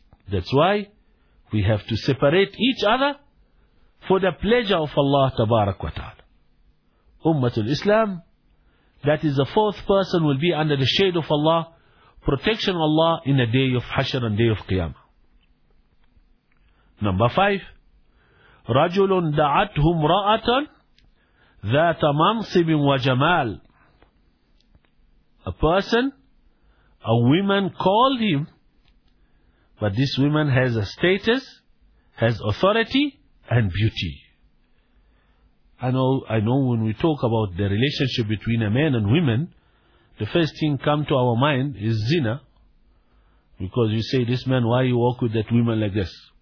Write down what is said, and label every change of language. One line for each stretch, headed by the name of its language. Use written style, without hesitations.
English: That's why we have to separate each other, for the pleasure of Allah tabarak wa ta'ala. Ummatul Islam, that is the fourth person will be under the shade of Allah, protection of Allah in the day of Hashr and day of Qiyamah. Number five,
Arabic: رَجُلٌ دَعَتْهُمْ رَأَةً ذَاتَ مَنْصِبٍ وَجَمَالٍ.
English: A person, a woman called him, but this woman has a status, has authority, and beauty. I know when we talk about the relationship between a man and women, the first thing come to our mind is zina, because you say, this man, why you walk with that woman like this?